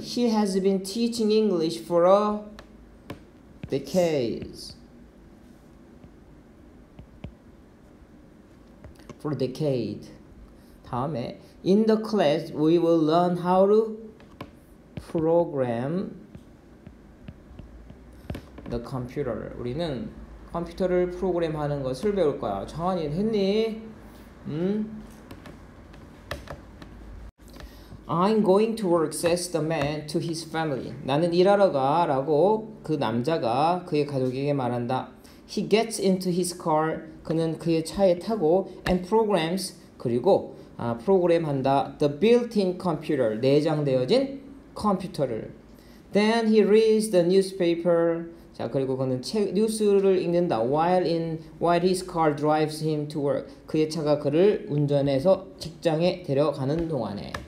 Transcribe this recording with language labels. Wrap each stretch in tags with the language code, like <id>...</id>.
<en>He has been teaching English for a decades. For decade.</en> <ko>다음에</ko> <en>in the class we will learn how to program the computer.</en> <ko>우리는 컴퓨터를 프로그램하는 것을 배울 거야. 정한이 했니? 응?</ko> <en>I'm going to work, says the man to his family.</en> <ko>나는 일하러 가라고 그 남자가 그의 가족에게 말한다.</ko> <en>He gets into his car.</en> <ko>그는 그의 차에 타고</ko> <en>and programs</en> <ko>그리고 프로그램한다.</ko> <en>The built-in computer</en> <ko>내장되어진 컴퓨터를.</ko> <en>Then he reads the newspaper.</en> <ko>자, 그리고 그는 책 뉴스를 읽는다.</ko> <en>While his car drives him to work.</en> <ko>그의 차가 그를 운전해서 직장에 데려가는 동안에.</ko>